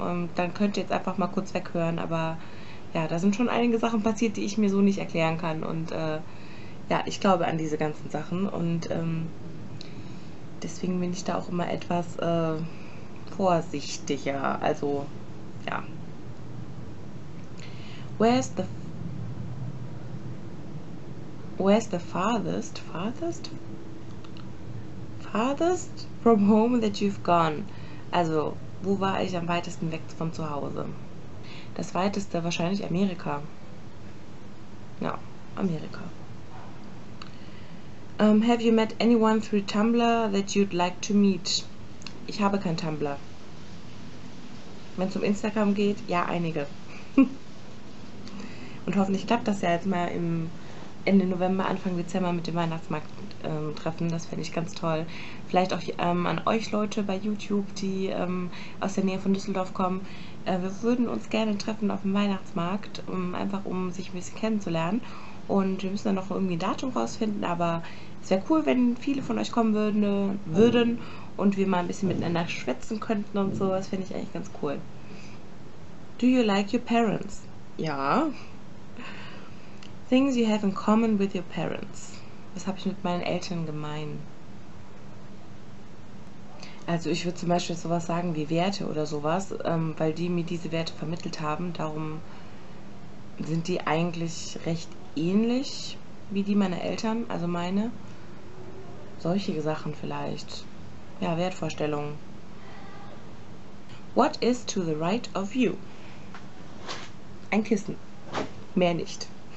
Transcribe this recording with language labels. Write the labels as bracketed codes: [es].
[de] Und dann könnt ihr jetzt einfach mal kurz weghören. Aber ja, da sind schon einige Sachen passiert, die ich mir so nicht erklären kann. Und ja, ich glaube an diese ganzen Sachen und deswegen bin ich da auch immer etwas vorsichtiger. Also, ja. [en] Where's the farthest from home that you've gone? [de] Also, wo war ich am weitesten weg von zu Hause? Das weiteste wahrscheinlich Amerika. Ja, Amerika. [en] Have you met anyone through Tumblr that you'd like to meet? [de] Ich habe kein Tumblr. Wenn es um Instagram geht, ja, einige. Und hoffentlich klappt das ja jetzt mal im Ende November, Anfang Dezember mit dem Weihnachtsmarkt treffen. Das fände ich ganz toll. Vielleicht auch an euch Leute bei YouTube, die aus der Nähe von Düsseldorf kommen. Wir würden uns gerne treffen auf dem Weihnachtsmarkt, einfach um sich ein bisschen kennenzulernen. Und wir müssen dann noch irgendwie ein Datum rausfinden, aber es wäre cool, wenn viele von euch kommen würden und wir mal ein bisschen miteinander schwätzen könnten und so. Das finde ich eigentlich ganz cool. [en] Do you like your parents? [de] Ja. [en] Things you have in common with your parents. [de] Was habe ich mit meinen Eltern gemein? Also ich würde zum Beispiel sowas sagen wie Werte oder sowas, weil die mir diese Werte vermittelt haben. Darum sind die eigentlich recht ähnlich wie die meiner Eltern, also meine. Solche Sachen vielleicht. Ja, Wertvorstellungen. [en] What is to the right of you? [de] Ein Kissen. Mehr nicht.